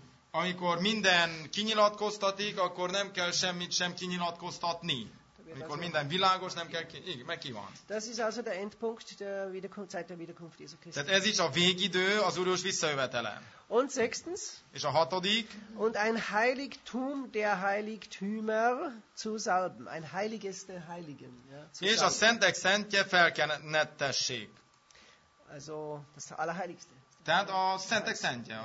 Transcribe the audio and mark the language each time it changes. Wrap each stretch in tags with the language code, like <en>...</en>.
<hu>Amikor minden kinyilatkoztatik, akkor nem kell semmit sem kinyilatkoztatni. Amikor minden világos, nem kell kinyilatkoztatni. Tehát ez is a végidő az Úr visszajövetele.</hu> <de>Und sechstens,</de> <hu>és a hatodik,</hu> <de>und ein Heiligtum der Heiligtümer zu salben, ein heiliges der Heiligen. Ja,</de> <hu>és a szentek szentje felkenettessék.</hu> <de>Also, das Allerheiligste.</de> <hu>Tehát a szentek szentje.</hu>